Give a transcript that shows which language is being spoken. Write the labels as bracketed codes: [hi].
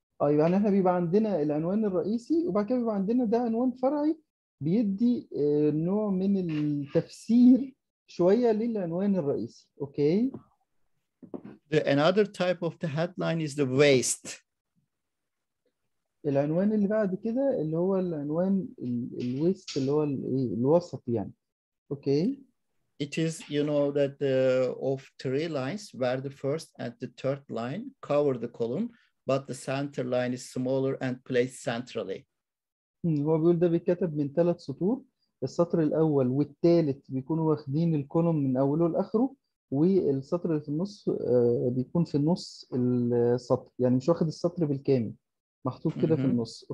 [ar] يبقى احنا بيبقى عندنا العنوان الرئيسي، وبعد كده بيبقى عندنا ده عنوان فرعي بيدي نوع من التفسير شويه للعنوان الرئيسي. اوكي. [en] Another type of the headline is the waste. [ar] العنوان اللي بعد كده اللي هو العنوان الويست اللي هو الوسط يعني. اوكي. [en] It is, you know, that of three lines where the first and the third line cover the column, but the center line is smaller and placed centrally. [ar] هو بيقول ده بيتكتب من ثلاث سطور، السطر الأول والثالث بيكونوا واخدين الكولوم من أوله لآخره، والسطر اللي في النص بيكون في النص السطر، يعني مش واخد السطر بالكامل، محطوط كده في النص.